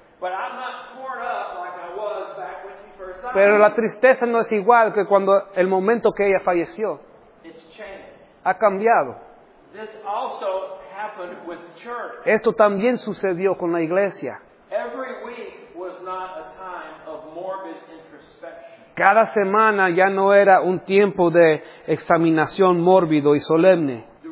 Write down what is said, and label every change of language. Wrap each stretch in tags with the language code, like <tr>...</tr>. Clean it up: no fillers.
<en>but I'm not torn up like I was back when she first died.</en> <es>Pero la tristeza no es igual que cuando el momento que ella falleció.</es> <en>It's changed.</en> <es>Ha cambiado.</es> <en>This also happened with the church.</en> <es>Esto también sucedió con la iglesia.</es> <en>Every week was not a time of morbid introspection.</en> <es>Cada semana ya no era un tiempo de examinación mórbido y solemne.</es>